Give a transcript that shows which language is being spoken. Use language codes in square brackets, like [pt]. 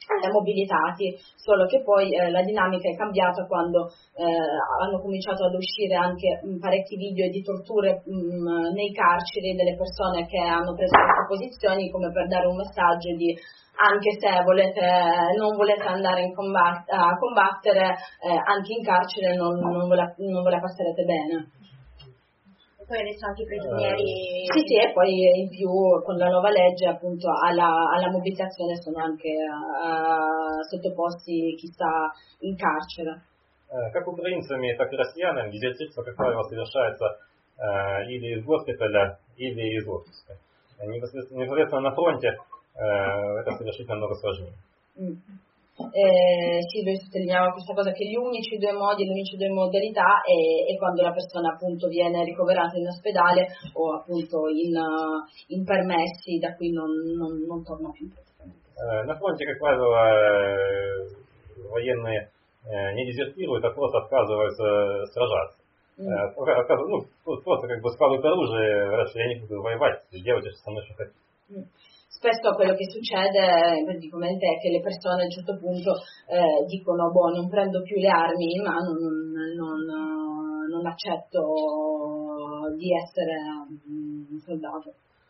[it] mobilitati, solo che poi la dinamica è cambiata quando hanno cominciato ad uscire anche parecchi video di torture nei carceri delle persone che hanno preso queste posizioni, come per dare un messaggio di: anche se volete, non volete andare in a combattere, anche in carcere non ve la passerete bene. Poi adesso anche i prigionieri. Sì, e poi in più con la nuova legge, appunto, alla mobilitazione sono anche sottoposti chi sta in carcere. [ru] Как украинцами, так и россиянам, дезертирство, как правило, совершается или из госпиталя, или из отпуска. Непосредственно на фронте это совершить намного сложнее. [it] Sì, noi sottolineiamo questa cosa, che gli unici due modalità è quando la persona appunto viene ricoverata in ospedale o appunto in permessi, da qui non torna più. [ru] На фронте, как правило, военные не дезертируют, а просто отказываются сражаться. Просто как бы складывают оружие, говорят, что я не буду воевать, делайте со мной, что хотите. [it] Spesso quello che succede, praticamente, è che le persone a un certo punto dicono: boh, non prendo più le armi in mano, non accetto di essere un soldato.